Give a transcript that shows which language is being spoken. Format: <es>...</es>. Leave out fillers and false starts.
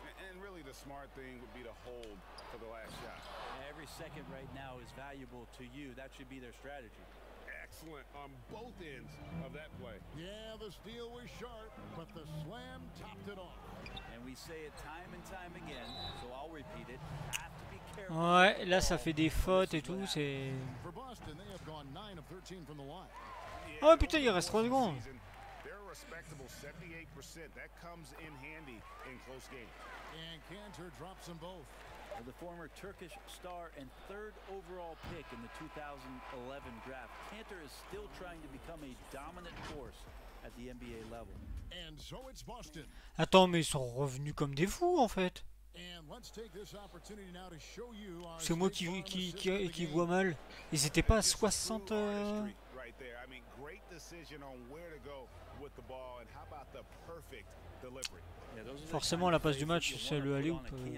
<en>And really the smart thing would be to hold for the last shot. Every second right now is valuable to you. That should be their strategy. Excellent on both ends of that play. Yeah, the steal was sharp, but the slam topped it off. And we say it time and time again, so I'll repeat it. Have to be careful.</en> <fr>Ouais, là ça fait des fautes et tout, c'est...</fr> <en>For Boston, they have gone 9 of 13 from the line.</en> <fr>Oh putain, il reste 3 secondes.</fr> <en>Respectable 78%. That comes in handy in close games. And Kanter drops them both. The former Turkish star and third overall pick in the 2011 draft. Kanter is still trying to become a dominant force at the NBA level. And so it's Boston.</en> <fr>Attends, mais ils sont revenus comme des fous en fait.</fr> <en>And let's take this opportunity now to show you our...</en> <fr>C'est moi qui vois mal. Ils n'étaient pas à 60.</fr> <en>Right there. I mean, great decision on where to go with the ball, and how about the perfect delivery?</en> <fr>Yeah, forcément la passe du match, c'est le alley-oop.</fr>